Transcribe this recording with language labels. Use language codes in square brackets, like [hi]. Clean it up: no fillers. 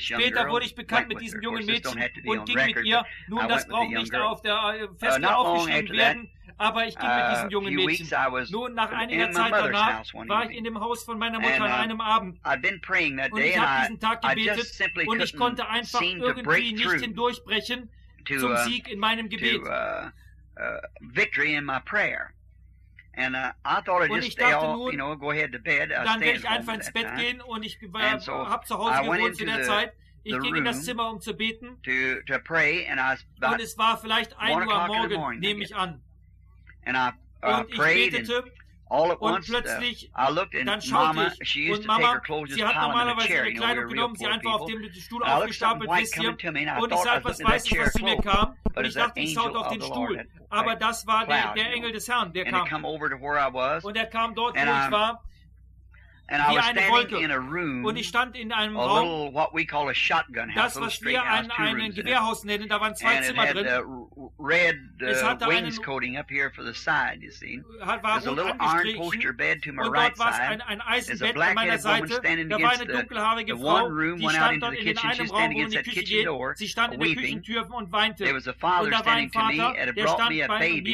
[de] Später wurde ich bekannt mit diesem jungen Mädchen und ging mit ihr. Nun, das braucht nicht auf der Festung aufgeschrieben werden. aber ich ging mit diesen jungen Mädchen. Nun, nach einiger Zeit danach war ich in dem Haus von meiner Mutter an einem Abend. Und ich habe diesen Tag gebetet und ich konnte einfach irgendwie nicht hindurchbrechen zum Sieg in meinem Gebet. [en] Victory in my prayer. And I thought I'd just stay all, you know, go ahead to bed. [de] Dann werde ich einfach ins Bett gehen und ich habe zu Hause gewohnt zu der Zeit. Ich ging in das Zimmer, um zu beten. [en] To pray, and I was about [de] und es war vielleicht 1 Uhr am Morgen, nehme ich an. [en] And I, [de] und ich betete und plötzlich, dann schaute ich und Mama, sie hat normalerweise ihre Kleidung genommen, sie einfach auf dem Stuhl aufgestapelt ist hier und ich sah etwas Weißes, was zu mir kam und ich dachte, ich schaute auf den Stuhl. Aber das war der Engel des Herrn, der kam. Und er kam dort, wo ich war, wie eine Wolke. Und ich stand in einem Raum, das, was wir ein Gewehrhaus nennen, da waren 2 Zimmer drin. [en] Red wainscoting up here for the side, you see. There's a little iron poster bed to my right side. There's a black-headed woman standing against the one room, went out into the kitchen. She's standing against that kitchen door, weeping. There was a father standing to me, and it brought me a baby.